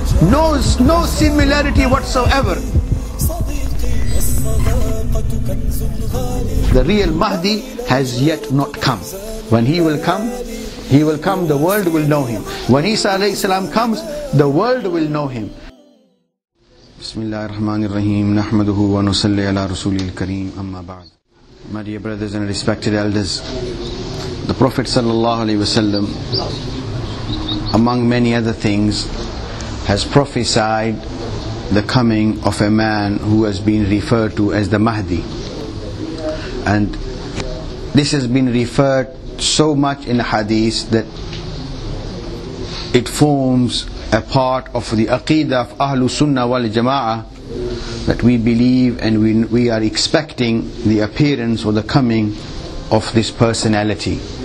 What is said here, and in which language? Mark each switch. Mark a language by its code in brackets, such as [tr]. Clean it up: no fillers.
[en] No similarity whatsoever. The real Mahdi has yet not come. When he will come, the world will know him. When Isa alayhi salam comes, the world will know him. [ar] بسم الله الرحمن الرحيم نحمده ونصلي على رسول الكريم أما بعد. [en] My dear brothers and respected elders, the Prophet sallallahu alaihi wasallam, among many other things, has prophesied the coming of a man who has been referred to as the Mahdi. And this has been referred so much in the hadith that it forms a part of the Aqeedah of Ahlus Sunnah wal Jama'ah, that we believe and we are expecting the appearance or the coming of this personality.